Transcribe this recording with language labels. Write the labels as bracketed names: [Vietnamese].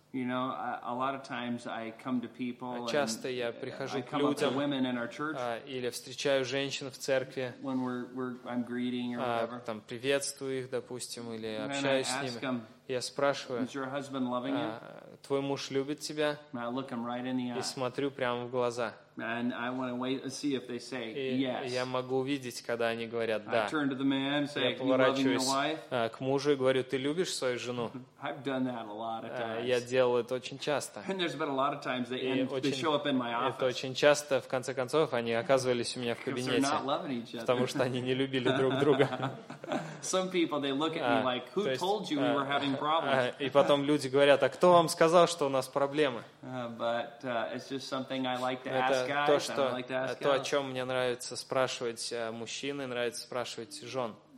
[English] You know, a lot of times I come to people. [Russian] Часто я прихожу к людям. [English] I come up to women in our church. [Russian] Или встречаю женщин в церкви. [English] When I'm greeting or whatever. [Russian] Там приветствую их, допустим, или общаюсь с ними. Я спрашиваю. [English] Is your husband loving you? [Russian] Твой муж любит тебя? [English] I look him right in the eye. [Russian] И смотрю прямо в глаза. [English] And I want to wait and see if they say yes. [Russian] Я могу увидеть, когда они говорят да. [English] I turn to the man, say, "You loving your wife?" [Russian] К мужу и говорю, ты любишь свою жену? [English] I've done that a lot of times. [Russian] Я делал это очень часто. [English] And there's been a lot of times they show up in my office. [Russian] Это очень часто. В конце концов, они оказывались у меня в кабинете. [English] They're not loving each other. [Russian] Потому что они не любили друг друга. [English] Some people they look at me like, "Who told you we were having problems?" [Russian] И потом люди говорят, а кто вам сказал, что у нас проблемы? [English] But it's just something I like to ask. [Russian] То, что, то, о чем мне нравится спрашивать мужчин, нравится спрашивать жен.